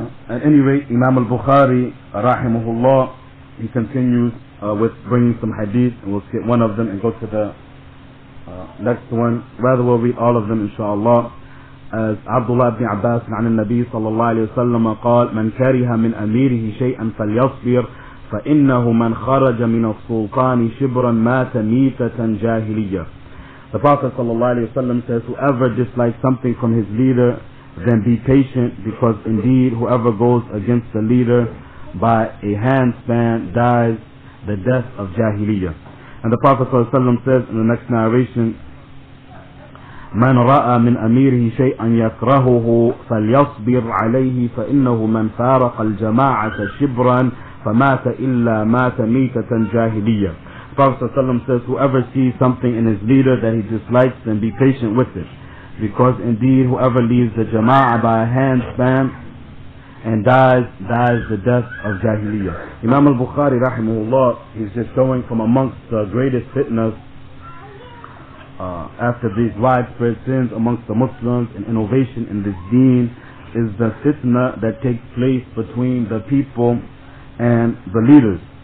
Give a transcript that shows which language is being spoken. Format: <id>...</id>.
<en>At any rate, Imam al-Bukhari, rahimahullah, he continues with bringing some hadith, and we'll skip one of them and go to the next one. Rather, we'll read all of them, inshallah. As Abdullah ibn Abbas</en> <ar>عن النبي صلى الله عليه وسلم قال من كره من أميره شيئا فليصبر فإنه من خرج من السلطان شبرا مات ميتة جاهلية.</ar> <en>The Prophet</en> <ar>صلى الله عليه وسلم</ar> <en>says, whoever dislikes something from his leader, then be patient, because indeed whoever goes against the leader by a handspan dies the death of جاهلية.</en> <ar>And the Prophet صلى الله عليه وسلم says in the next narration, من رأى من أميره شيئا يكرهه فليصبر عليه فإنه من فارق الجماعة شبرا فمات إلا مات ميتة جاهلية.</ar> <en>Prophet ﷺ says, whoever sees something in his leader that he dislikes, then be patient with it, because indeed whoever leaves the jama'ah by a handspan and dies the death of jahiliyyah. Imam al-Bukhari rahimahullah, he's just going from amongst the greatest fitness after these widespread sins amongst the Muslims, and innovation in this deen is the fitna that takes place between the people and the leaders.</en>